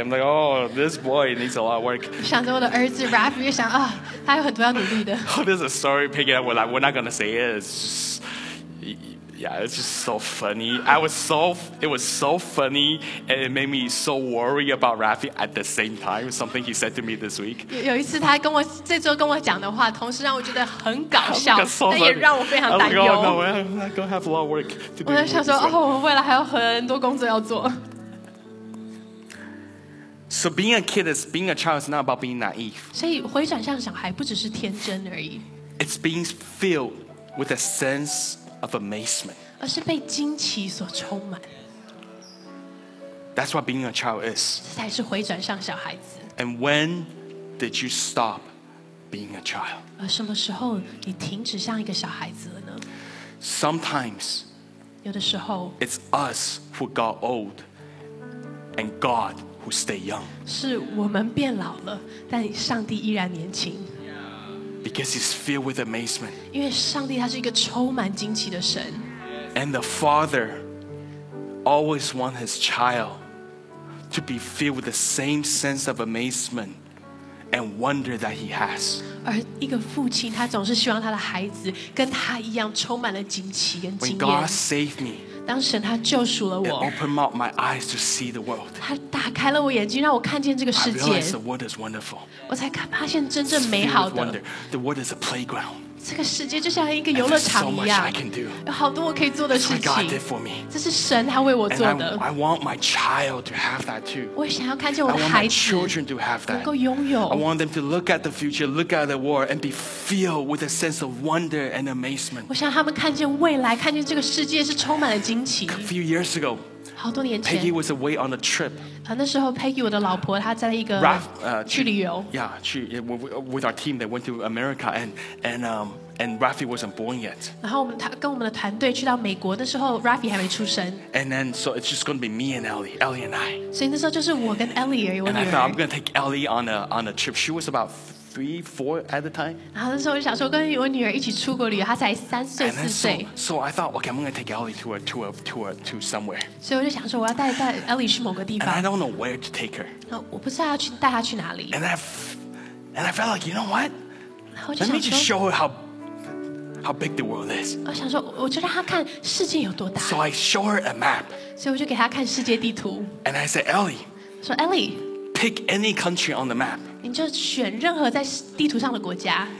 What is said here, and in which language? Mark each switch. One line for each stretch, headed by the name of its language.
English: I'm like, oh, this boy needs a lot of work.
Chinese: 想着我的儿子 Rafi， 又想啊，他有很多要努力的。
English: Oh, there's a story picking up. We're not gonna say it. It's just, yeah, it's just so funny. It was so funny, and it made me so worry about Rafi at the same time. Something he said to me this week.
Chinese: 有一次他跟我这周跟我讲的话，同时让我觉得很搞笑，但、
English: like so、
Chinese: 也让我非常担忧。
English: I'm like, oh, no, I'm not gonna have a lot of work to do.
Chinese: 我在想说，哦，我未来还有很多工作要做。
English: So being a kid is being a child is not about being naive.
Chinese: 所以回转向小孩不只是天真而已。
English: It's being filled with a sense of amazement.
Chinese: 而是被惊奇所充满。
English: That's what being a child is.
Chinese: 这才是回转向小孩子。
English: And when did you stop being a child?
Chinese: 而什么时候你停止像一个小孩子了呢？
English: Sometimes,
Chinese: 有的时候
English: it's us who got old, and God. Who stay young.
Chinese: 是我们变老了，但上帝依然年轻。
English: Because he's filled with amazement.
Chinese: 因为上帝他是一个充满惊奇的神。
English: And the father always wants his child to be filled with the same sense of amazement and wonder that he has.
Chinese: 而一个父亲他总是希望他的孩子跟他一样充满了惊奇跟惊艳。
English: When God saved me.
Chinese: 当神他救赎了我
English: It opened up my eyes to see the world.
Chinese: 他打开了我眼睛，让我看见这个世界。
English: I realized the world is wonderful.
Chinese: 我才发现真正美好的。
English: Wonder. The world is a playground.
Chinese: 这个世界就像一个游乐场一样。
English: So much I can do.
Chinese: 有好多我可以做的事情。
English: That's what God did for me.
Chinese: 这是神他为我做的。
English: I want my child to have that too.
Chinese: 我想要看见我的孩子。
English: I want my children to have that.
Chinese: 能够拥有。
English: I want them to look at the future, look at the world, and be filled with a sense of wonder and amazement.
Chinese: 我想他们看见未来，看见这个世界是充满了惊奇。
English: A few years ago.
Chinese: 好多年前
English: Peggy was away on a trip.
Chinese: 那时候 Peggy 我的老婆她在一个 去旅游
English: Yeah, she, with our team they went to America and Rafi wasn't born yet.
Chinese: 然后跟我们的团队去到美国那时候 Rafi 还没出生
English: And then so it's just going to be me and Ellie and I.
Chinese: 所以那时候就是我跟 Ellie 而已
English: And I thought I'm going to take Ellie on a trip. She was about 3-4 at the time.
Chinese: 然后那时候我就想说跟我女儿一起出国旅游，她才三岁四岁。
English: So I thought, okay, I'm going to take Ellie to somewhere.
Chinese: 所以我就想说我要带 Ellie 去某个地方。
English: And I don't know where to take her.
Chinese: 我不知道要带她去哪里。
English: And I felt like, you know what?
Chinese: 我就想说
English: Let me just show her how big the world is.
Chinese: 我想说我就让她看世界有多大。
English: So I show her a map.
Chinese: 所以我就给她看世界地图。
English: And I said, Ellie.
Chinese: 我说 Ellie.
English: Pick any country on the map.
Chinese: 你就选任何在地图上的国家